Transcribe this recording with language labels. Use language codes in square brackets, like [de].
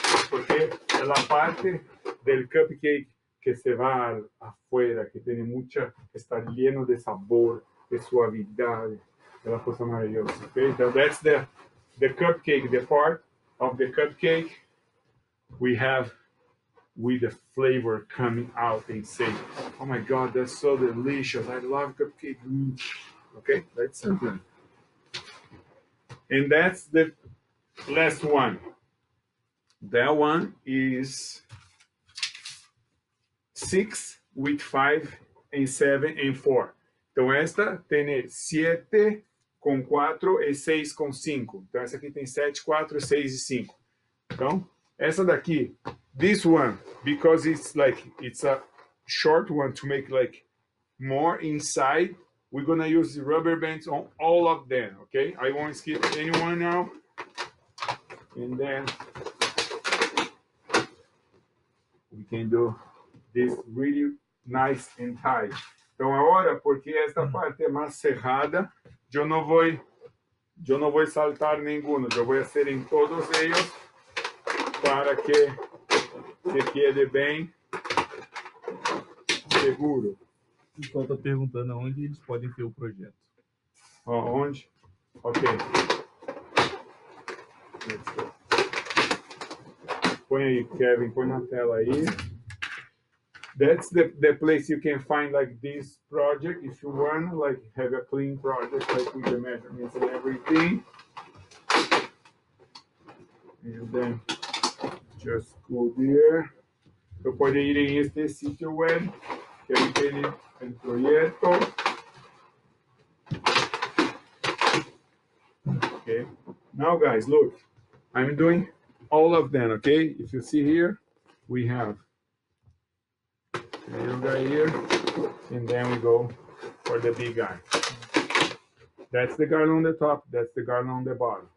[es] Porque es la parte del cupcake que se va afuera, que tiene mucha, está lleno de sabor, de suavidad, de la cosa maravillosa. [en] Okay. That's the cupcake, the part. Of the cupcake, we have with the flavor coming out and say, oh my God, that's so delicious. I love cupcake. Mm. Okay, that's something. And that's the last one. That one is 6 with 5 and 7 and 4. [pt] Então esta tem 7. Com 4 e 6 com 5. Então, essa aqui tem 7, 4, 6 e 5. Então, essa daqui, [en] this one, because it's like, it's a short one to make like more inside, we're gonna use the rubber bands on all of them, okay? I won't skip anyone now. And then, we can do this really nice and tight. [pt] Então, agora, porque esta parte é mais cerrada, Eu não vou saltar nenhum, eu vou ser em todos eles para que se quede bem seguro. O pessoal está perguntando onde eles podem ter o projeto. Oh, onde? Ok. Põe aí, Kevin, põe na tela aí. [en] That's the place you can find like this project if you want like have a clean project like with the measurements and everything. And then just go there. [pt] Eu pode ir em este sitio web que é aquele projeto. [en] Okay. Now guys, look, I'm doing all of them. Okay. If you see here, we have. Little guy here, and then we go for the big guy. That's the garland on the top, that's the garland on the bottom.